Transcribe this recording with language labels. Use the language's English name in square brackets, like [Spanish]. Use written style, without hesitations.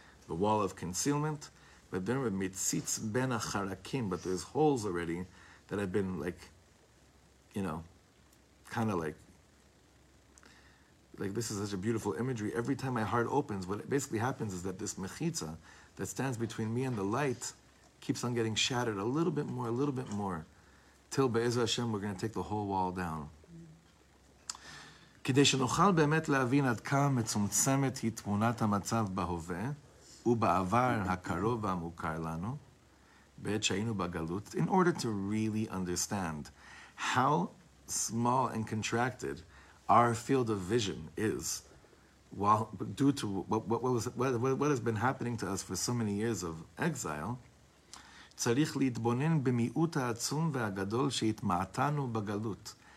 [English] The wall of concealment. But then with [Hebrew] mitzitz ben acharakim, [English] but there's holes already that have been like, you know, kind of like this is such a beautiful imagery. Every time my heart opens, what basically happens is that this mechitza that stands between me and the light keeps on getting shattered a little bit more, till Be'ezah Hashem we're going to take the whole wall down. [Hebrew] כדי שנוכל באמת להבין עד כמה מצומצמת היא תמונת המצב בהווה ובעבר הקרוב והמוכר לנו בעת שהיינו בגלות. [English] In order to really understand how small and contracted our field of vision is while due to what has been happening to us for so many years of exile, [Hebrew] צריך להתבונן במיעוט העצום והגדול שהתמעטנו בגלות.